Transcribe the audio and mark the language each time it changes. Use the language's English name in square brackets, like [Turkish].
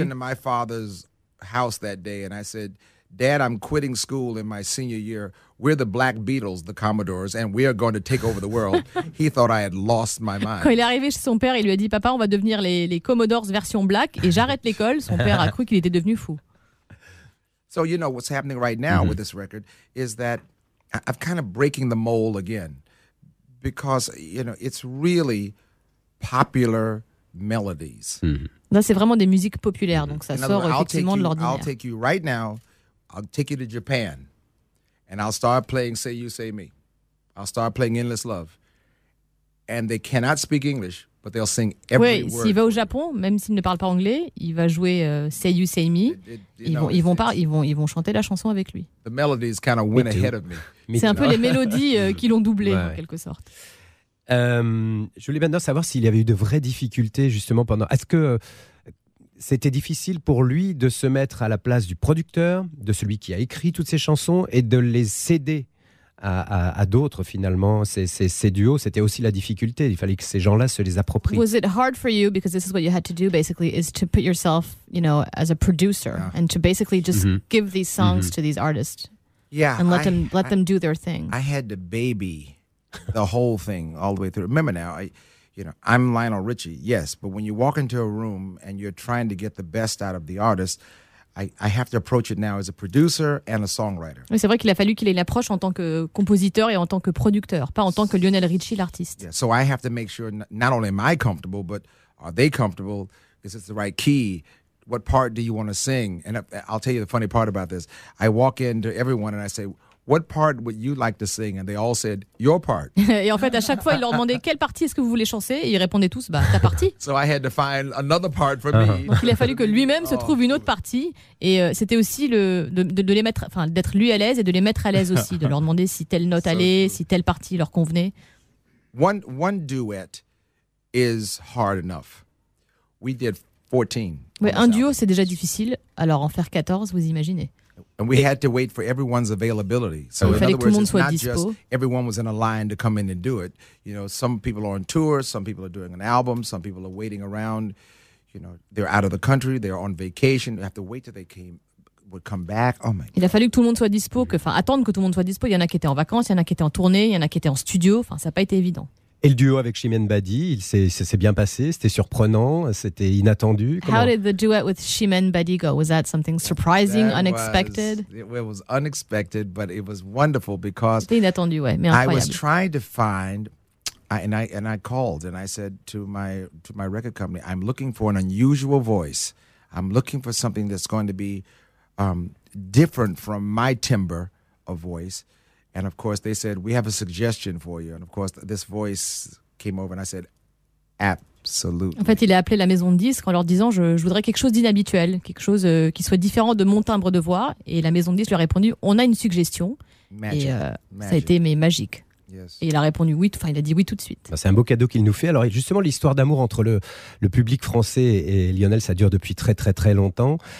[English] When I walked into my father's house that day and I said, "Dad, I'm quitting school in my senior year. We're the Black Beatles, the Commodores, and we are going to take over the world." He thought I had lost my mind. [French] Quand il est arrivé chez son père, il lui a dit, "Papa, on va devenir les Commodores version Black et j'arrête l'école." Son père a cru qu'il était devenu fou. [English] So you know what's happening right now with this record is that I'm kind of breaking the mold again. Because, you know, it's really popular melodies. [French] Là, c'est vraiment des musiques populaires, donc ça sort effectivement de l'ordinaire. [English] I'll take you right now, I'll take you to Japan, and I'll start playing Say You, Say Me. I'll start playing Endless Love. And they cannot speak English, but they'll sing every word. [French] Oui, s'il va au Japon, même s'il ne parle pas anglais, il va jouer Say You, Say Me. Ils vont chanter la chanson avec lui. [English] The melodies kind of went ahead of me. [French] C'est un peu les mélodies qui l'ont doublé, ouais, en quelque sorte. Je voulais maintenant savoir s'il y avait eu de vraies difficultés, justement, pendant... Est-ce que c'était difficile pour lui de se mettre à la place du producteur, de celui qui a écrit toutes ces chansons, et de les céder à d'autres, finalement, ces duos? C'était aussi la difficulté. Il fallait que ces gens-là se les approprient. [English] Was it hard for you, because this is what you had to do, basically, is to put yourself, you know, as a producer, and to basically just give these songs to these artists? Yeah, and let them do their thing. I had to baby the whole thing all the way through. Remember now, I'm Lionel Richie, yes, but when you walk into a room and you're trying to get the best out of the artist, I have to approach it now as a producer and a songwriter. [French] Oui, c'est vrai qu'il a fallu qu'il ait l'approche en tant que compositeur et en tant que producteur, pas en tant que Lionel Richie, l'artiste. [English] Yeah, so I have to make sure not only am I comfortable, but are they comfortable? Is this the right key? What part do you want to sing? And I'll tell you the funny part about this. I walk into everyone and I say, "What part would you like to sing?" And they all said, "Your part." [French] Et en fait, à chaque fois, il leur demandait quelle partie est-ce que vous voulez chanter, et ils répondaient tous, "Bah, ta partie." [English] So I had to find another part for me. [French] Donc, il a fallu que lui-même se trouve une autre partie, et c'était aussi de les mettre, enfin, d'être lui à l'aise et de les mettre à l'aise aussi, de leur demander si telle note allait, si telle partie leur convenait. [English] One duet is hard enough. We did 14. [French] Ouais, un duo, c'est déjà difficile. Alors en faire 14, vous imaginez. [English] And we had to wait for everyone's availability. So [French] il fallait [English] in other [French] que tout le monde soit dispo. [English] Everyone was in a line to come in and do it. You know, some people are on tour, some people are doing an album, some people are waiting around. You know, they're out of the country, they're on vacation. You have to wait till they came, would come back. Oh my God. [French] Il a fallu que tout le monde soit dispo, attendre que tout le monde soit dispo. Il y en a qui étaient en vacances, il y en a qui étaient en tournée, il y en a qui étaient en studio. Enfin, ça n'a pas été évident. Et le duo avec Chimène Badi, ça s'est bien passé, c'était surprenant, c'était inattendu. [English] How did the duet with Chimène Badi go? Was that something surprising, that unexpected? It was unexpected, but it was wonderful because... [French] C'était inattendu, ouais, mais incroyable. [English] I was trying to find, and I called and I said to my record company, "I'm looking for an unusual voice. I'm looking for something that's going to be different from my timbre of voice." And of course, they said, we have a suggestion for you. And of course, this voice came over and I said, absolutely. [French] En fait, il a appelé la maison de disques en leur disant, je voudrais quelque chose d'inhabituel, quelque chose qui soit différent de mon timbre de voix. Et la maison de disques lui a répondu, on a une suggestion. [English] Magic. magic. [French] Ça a été mais magique. [English] Yes. [French] Et il a répondu oui, enfin il a dit oui tout de suite. C'est un beau cadeau qu'il nous fait. Alors justement, l'histoire d'amour entre le public français et Lionel, ça dure depuis très très très longtemps.